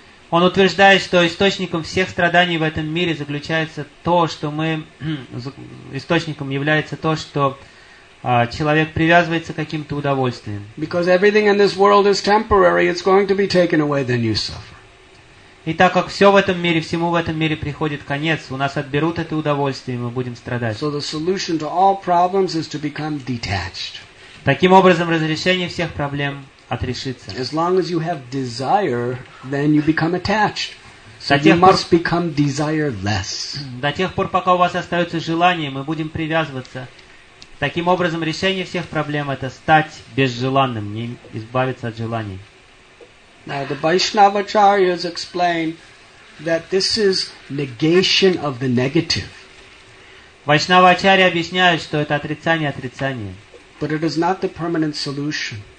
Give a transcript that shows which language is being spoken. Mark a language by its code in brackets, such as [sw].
[ru] Он утверждает, что источником всех страданий в этом мире заключается то, что мы источником является то, что человек привязывается к каким-то удовольствиям. [en] Because everything in this world is temporary, it's going to be taken away, then you suffer. [ru] И так как все в этом мире, всему в этом мире приходит конец, у нас отберут это удовольствие, и мы будем страдать. [en] So the solution to all problems is to become detached. [ru] Таким образом, разрешение всех проблем – отрешиться. [en] As long as you have desire, then you become attached. So you must become desireless. [ru] До тех пор, пока у вас остается желание, мы будем привязываться. Таким образом, решение всех проблем – это стать безжеланным, не избавиться от желаний. [en] Now, the Vaishnavacharyas explain that this is negation of the negative. [ru] Вайшнавачарьи объясняют, что это отрицание отрицания. [en] But it is not the permanent solution.